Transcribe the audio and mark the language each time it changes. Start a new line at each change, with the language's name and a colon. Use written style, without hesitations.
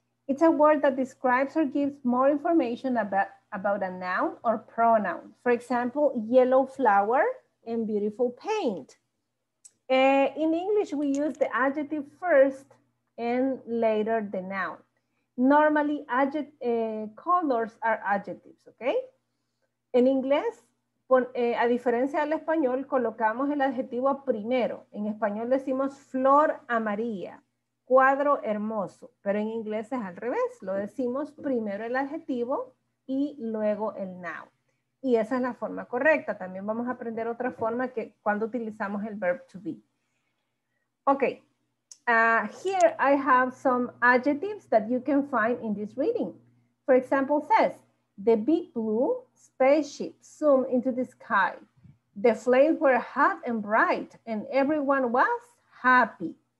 English: It's a word that describes or gives more information about a noun or pronoun. For example, yellow flower and beautiful paint. In English, we use the adjective first and later the noun. Normally, colors are adjectives, okay?
Spanish: En inglés, a diferencia del español, colocamos el adjetivo primero. En español decimos flor amarilla, cuadro hermoso. Pero en inglés es al revés. Lo decimos primero el adjetivo y luego el noun. Y esa es la forma correcta. También vamos a aprender otra forma que cuando utilizamos el verb to be.
English: Okay, here I have some adjectives that you can find in this reading. For example, says, the big blue spaceship zoomed into the sky. The flames were hot and bright and everyone was happy.